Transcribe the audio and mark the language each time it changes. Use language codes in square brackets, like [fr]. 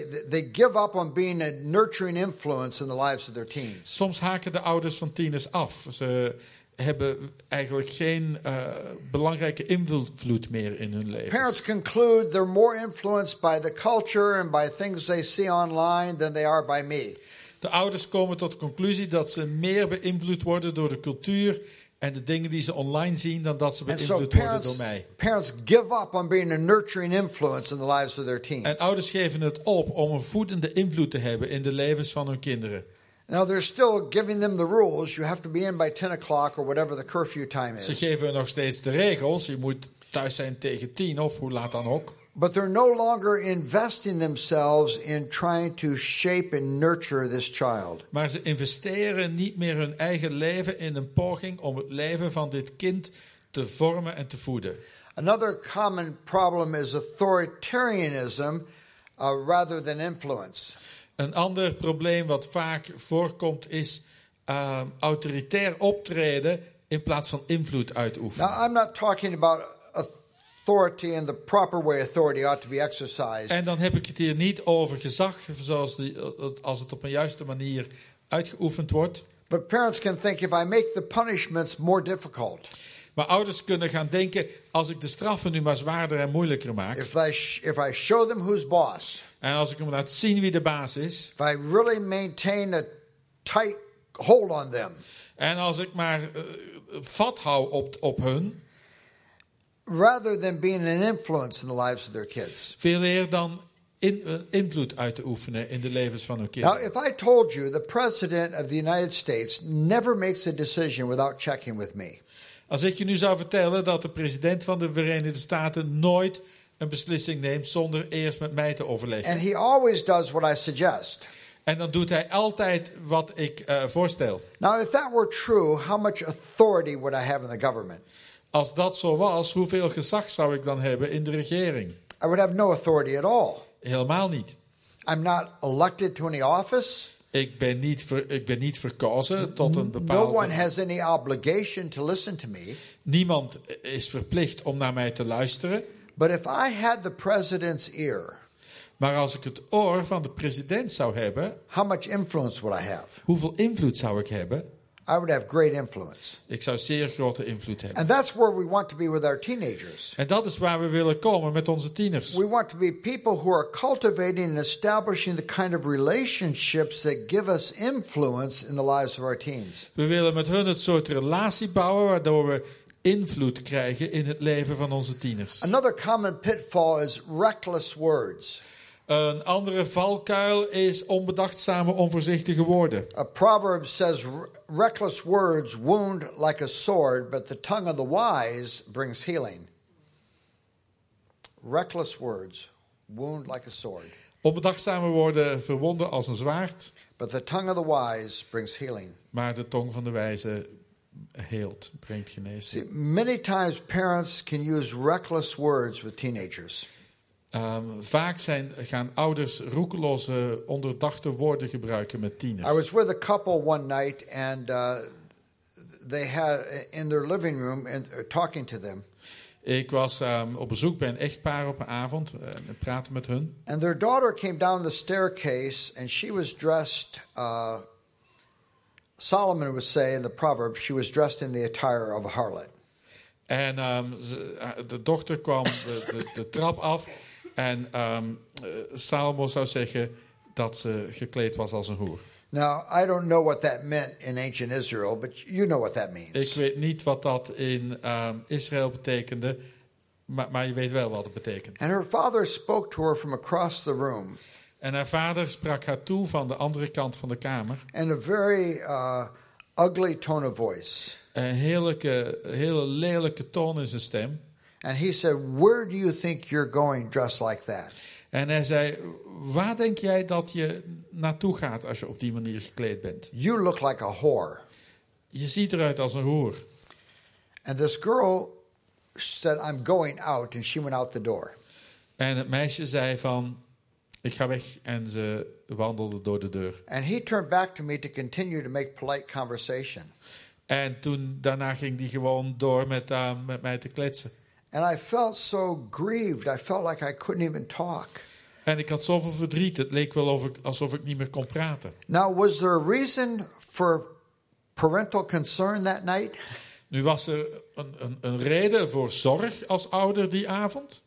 [en] They give up on being a nurturing influence in the lives of their teens. [nl] Soms haken de ouders van tieners af. Ze hebben eigenlijk geen belangrijke invloed meer in hun leven. [en] Parents conclude they're more influenced by the culture and by things they see online than they are by me. [nl] De ouders komen tot de conclusie dat ze meer beïnvloed worden door de cultuur en de dingen die ze online zien dan dat ze beïnvloed worden door mij. [en] Parents give up on being a nurturing influence in the lives of their teens. [nl] En ouders geven het op om een voedende invloed te hebben in de levens van hun kinderen. [en] Now they're still giving them the rules. You have to be in by 10 o'clock or whatever the curfew time is. [nl] Ze geven nog steeds de regels. Je moet thuis zijn tegen 10 of hoe laat dan ook. [en] But they're no longer investing themselves in trying to shape and nurture this child. [nl] Maar ze investeren niet meer hun eigen leven in een poging om het leven van dit kind te vormen en te voeden. [en] Another common problem is authoritarianism rather than influence. [nl] Een ander probleem wat vaak voorkomt is autoritair optreden in plaats van invloed uitoefenen. [en] Now I'm not talking about authority in the proper way authority ought to be exercised. [nl] En dan heb ik het hier niet over gezag zoals als het op een juiste manier uitgeoefend wordt. [en] But parents can think if I make the punishments more difficult. [nl] Maar ouders kunnen gaan denken als ik de straffen nu maar zwaarder en moeilijker maak. [en] If I show them who's boss. [nl] En als ik hem laat zien wie de baas is. [en] If I really maintain a tight hold on them. [nl] En als ik maar vat hou op hun. [en] Rather than being an influence in the lives of their kids. [nl] Veel eer dan invloed uit te oefenen in de levens van hun kinderen. [en] Now, if I told you the president of the United States never makes a decision without checking with me. [nl] Als ik je nu zou vertellen dat de president van de Verenigde Staten nooit een beslissing neemt zonder eerst met mij te overleggen. [en] And he always does what I suggest. [nl] En dan doet hij altijd wat ik voorstel. [en] Now, if that were true, how much authority would I have in the government? [nl] Als dat zo was, hoeveel gezag zou ik dan hebben in de regering? [en] I would have no authority at all. [nl] Helemaal niet. [en] I'm not elected to any office. [nl] Ik ben niet verkozen tot een bepaalde. [en] No one has any obligation to listen to me. [nl] Niemand is verplicht om naar mij te luisteren. [en] But if I had the president's ear. [nl] Maar als ik het oor van de president zou hebben, [en] how much influence would I have? [nl] Hoeveel invloed zou ik hebben? [en] I would have great influence. [nl] Ik zou zeer grote invloed hebben. [en] And that's where we want to be with our teenagers. [nl] En dat is waar we willen komen met onze tieners. [en] We want to be people who are cultivating and establishing the kind of relationships that give us influence in the lives of our teens. [nl] We willen met hun het soort relatie bouwen waardoor we invloed krijgen in het leven van onze tieners. [en] Another common pitfall is reckless words. [nl] Een andere valkuil is onbedachtzame, onvoorzichtige woorden. [en] A proverb says reckless words wound like a sword, but the tongue of the wise brings healing. Reckless words wound like a sword. [nl] Onbedachtzame woorden verwonden als een zwaard. [en] But the tongue of the wise brings healing. [nl] Maar de tong van de wijze heelt, brengt genezing. [en] See, many times parents can use reckless words with teenagers. [nl] Vaak gaan ouders roekeloze, onderdachte woorden gebruiken met tieners. [en] I was with a couple one night and they had in their living room and talking to them. [nl] Ik was op bezoek bij een echtpaar op een avond en praatte met hun. [en] And their daughter came down the staircase and she was dressed. Solomon would say in the proverb, she was dressed in the attire of a harlot. [nl] En de dochter kwam de trap af. En Salomo zou zeggen dat ze gekleed was als een hoer. [en] Now, I don't know what that meant in ancient Israel, but you know what that means. [nl] Ik weet niet wat dat in Israël betekende, maar je weet wel wat het betekent. [en] And her father spoke to her from across the room. [nl] En haar vader sprak haar toe van de andere kant van de kamer. [en] In a very ugly tone of voice. [nl] Een hele lelijke toon in zijn stem. [en] And he said, "Where do you think you're going dressed like that?" [nl] En hij zei, waar denk jij dat je naartoe gaat als je op die manier gekleed bent? [en] You look like a whore. [nl] Je ziet eruit als een hoer. [en] And this girl said, "I'm going out," and she went out the door. [nl] En het meisje zei van, ik ga weg, en ze wandelde door de deur. [en] And he turned back to me to continue to make polite conversation. [nl] En toen daarna ging die gewoon door met mij te kletsen. [en] And I felt so grieved. I felt like I couldn't even talk. [nl] En ik had zoveel verdriet. Het leek wel alsof ik niet meer kon praten. [en] Now, was there a reason for parental concern that night? [nl] Nu was er een reden voor zorg als ouder die avond?